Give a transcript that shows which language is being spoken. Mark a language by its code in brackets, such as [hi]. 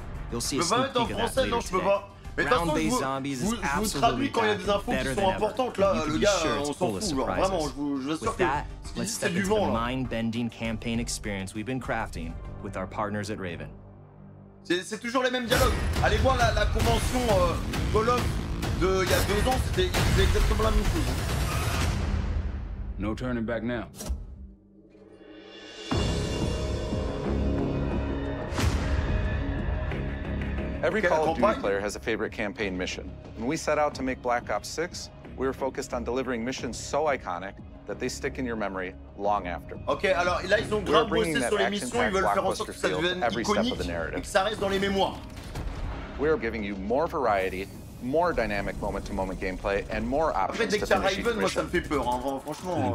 [en] You'll see a sneak peek of that later today. Round-based zombies is absolutely back and better than ever. And you can be sure it's full of surprises. With that, let's step into the mind-bending campaign experience we've been crafting with our partners at Raven. [fr] C'est toujours les mêmes dialogues. Allez voir la convention Call of de il y a deux ans. C'était exactement la même chose. [en] No turning back now. Every Call of Duty player has a favorite campaign mission. When we set out to make Black Ops 6, we were focused on delivering missions so iconic that they stick in your memory long after. [fr] Okay, alors là ils ont grave bossé sur les missions, ils veulent faire en sorte que ça devienne iconique et que ça reste dans les mémoires. [en] We are giving you more variety, more dynamic moment-to-moment gameplay, and more options. [fr] Après, dès que t'as Raven, moi ça me fait peur, hein, franchement.